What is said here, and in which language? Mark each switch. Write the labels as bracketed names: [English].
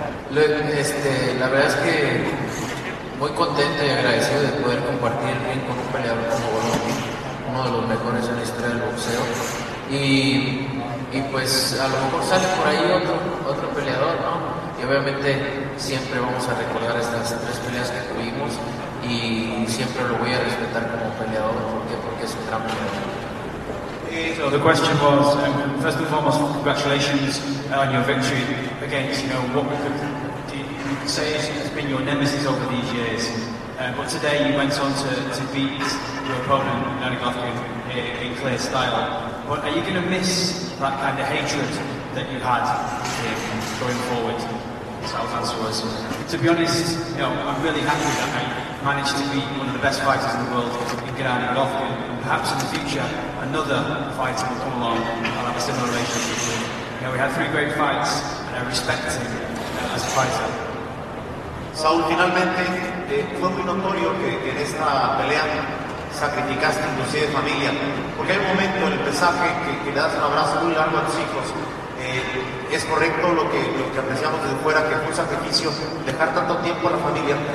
[Spanish] La verdad es que muy contento y agradecido de poder compartir el ring con un peleador como Golovkin, uno de los mejores en la historia del boxeo. Y pues a lo mejor sale por ahí otro peleador, ¿no? Y obviamente siempre vamos a recordar estas tres peleas que tuvimos y siempre lo voy a respetar como peleador. ¿Por qué? Porque es un gran peleador. [English] So the question was, first and foremost, congratulations on your victory against, you know, what we could say has been your nemesis over these years. But today you went on to beat your opponent, Nani Golovkin, in clear style. But are you going to miss that kind of hatred that you had going forward? So I'll answer was, to be honest, you know, I'm really happy that I managed to beat one of the best fighters in the world, Nani Golovkin. Perhaps in the future, another fighter will come along and I'll have a similar relationship with him. You know, we had three great fights, and I respect him as a fighter. [Spanish] Saul, finalmente, fue muy notorio que en esta pelea sacrificaste inclusive familia. Porque hay un momento en el mensaje que le das un abrazo muy largo a tus hijos. Es correcto lo que apreciamos desde fuera, que fue un sacrificio dejar tanto tiempo a la familia.